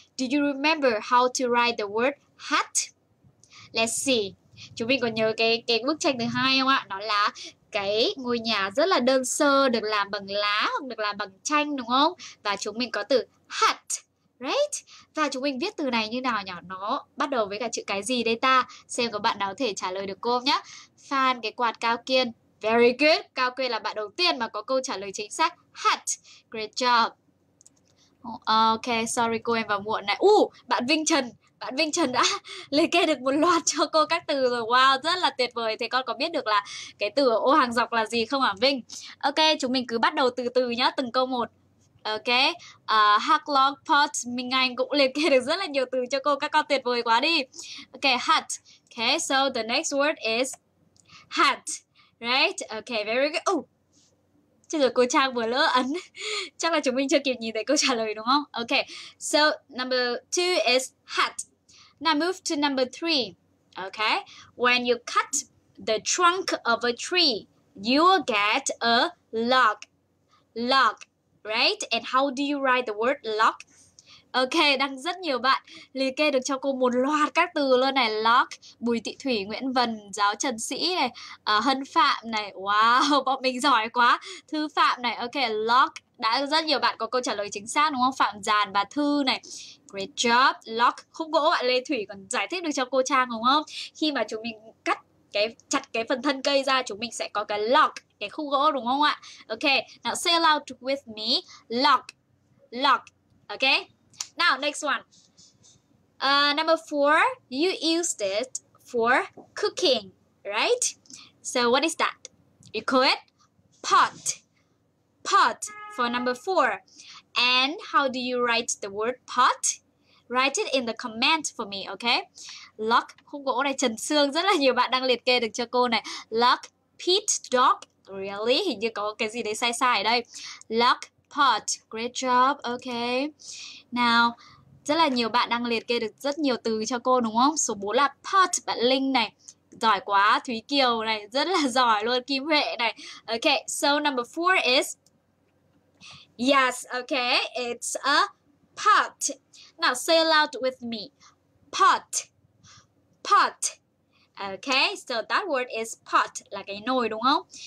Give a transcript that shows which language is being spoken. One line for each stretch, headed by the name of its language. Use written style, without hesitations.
English: Do you remember how to write the word hat? Let's see.
Vietnamese: Chúng mình còn nhớ cái bức tranh thứ hai không ạ? Nó là cái ngôi nhà rất là đơn sơ, được làm bằng lá hoặc được làm bằng tranh đúng không? Và chúng mình có từ hat, right? Và chúng mình viết từ này như nào nhỉ? Nó bắt đầu với cả chữ cái gì đây ta? Xem có bạn nào có thể trả lời được cô không nhá. Phan, cái quạt Cao Kiên.
English: Very good.
Vietnamese: Cao Kiên là bạn đầu tiên mà có câu trả lời chính xác. Hat.
English: Great job.
Vietnamese: Ok, sorry cô em vào muộn này. Bạn Vinh Trần đã liệt kê được một loạt cho cô các từ rồi. Wow, rất là tuyệt vời. Thế con có biết được là cái từ ở ô hàng dọc là gì không hả Vinh? Ok, chúng mình cứ bắt đầu từ từ nhá, từng câu một. Ok, Hacklog Pot, Minh Anh cũng liệt kê được rất là nhiều từ cho cô. Các con tuyệt vời quá đi.
English: Ok, hat. Ok, so the next word is hat. Right, ok, very good.
Vietnamese: Chứ rồi cô Trang vừa lỡ ấn. Chắc là chúng mình chưa kịp nhìn thấy câu trả lời đúng không?
English: Ok, so number 2 is hat. Now move to number 3. Ok, when you cut the trunk of a tree, you will get a log. Log, right? And how do you write the word log?
Vietnamese: Ok, đang rất nhiều bạn liệt kê được cho cô một loạt các từ luôn này. Lock, Bùi Thị Thủy, Nguyễn Vân, Giáo Trần Sĩ này, Hân Phạm này. Wow, bọn mình giỏi quá. Thư Phạm này, ok, lock. Đã rất nhiều bạn có câu trả lời chính xác đúng không? Phạm Giàn và Thư này.
English: Great job, lock.
Vietnamese: Khúc gỗ bạn Lê Thủy còn giải thích được cho cô Trang đúng không? Khi mà chúng mình cắt chặt cái phần thân cây ra, chúng mình sẽ có cái lock, cái khúc gỗ đúng không ạ?
English: Ok, now say it out with me. Lock, lock, ok. Now, next one. Number four, you used it for cooking, right? So, what is that? You call it pot. Pot for number four. And how do you write the word pot? Write it in the comment for me, okay?
Vietnamese: Lock, khúc gỗ này, trần xương, rất là nhiều bạn đang liệt kê được cho cô này. Lock, pit, dog, really? Hình như có cái gì đấy sai sai ở đây. Lock, pot,
English: great job, okay.
Vietnamese: Nào, rất là nhiều bạn đang liệt kê được rất nhiều từ cho cô đúng không? Số 4 là pot, bạn Linh này. Giỏi quá, Thúy Kiều này, rất là giỏi luôn, Kim Huệ này.
English: Okay, so number 4 is yes, okay, it's a pot. Now say it out with me. Pot. Pot. Okay, so that word is pot,
Vietnamese: là cái nồi đúng không?